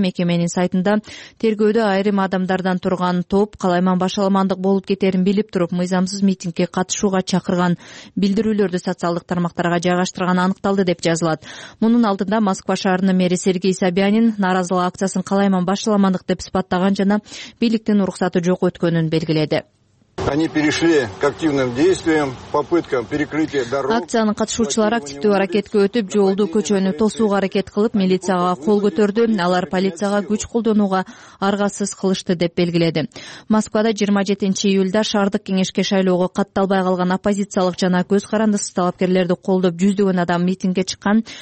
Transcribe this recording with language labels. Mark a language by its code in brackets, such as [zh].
[ky] Мекеменин сайтында тергөөдө айрым адамдардан турган топ кала аймагына башаламандык болуп кетерин билип туруп мыйзамсыз митингге катышууга чакырган билдирүүлөрдү социалдык тармактарга жайгаштырганы аныкталды деп жазылат. Мунун алдында Москва шаарынын мэри Сергей Собянин нааразылык акциясын кала аймагына башаламандык деп сыпаттаган жана бийликтин уруксаты жок өткөнүн белгиледи. [ru] Они перешли к активным действиям, попыткам перекрытия дорог. [ky] Акциянын катышуучулары активдүү аракетке өтүп, жолду көчөнү тосууга аракет кылып, милицияга кол көтөрдү. Алар полицияга күч колдонууга аргасыз кылышты деп белгиледи. Москвада 27 июлда шаардык кеңешке шайлоого катталбай калган оппозициялык жана көз карандысыз талапкерлерди колдоп жүздөгөн адам митингге чыккан.